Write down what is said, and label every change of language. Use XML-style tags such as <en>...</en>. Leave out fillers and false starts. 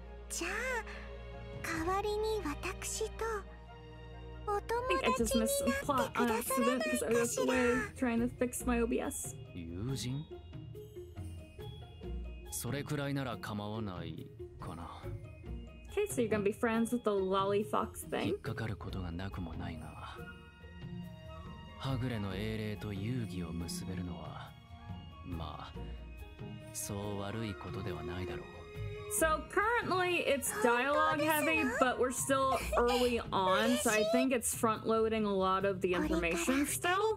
<ja>じゃあ、代わりに私とお友達になってくださらないかしら。</ja> <en>I was trying to fix my OBS.</en> <ja>友人？それくらいなら構わないかな。</ja> <en>Okay, so you're gonna be friends with the lolly fox thing.</en> <ja>引っかかることがなくもないが、はぐれの英霊と遊戯を結べるのは、まあ、そう悪いことではないだろう。</ja> <en>So currently it's dialogue heavy, but we're still early on, so I think it's front loading a lot of the information still.</en>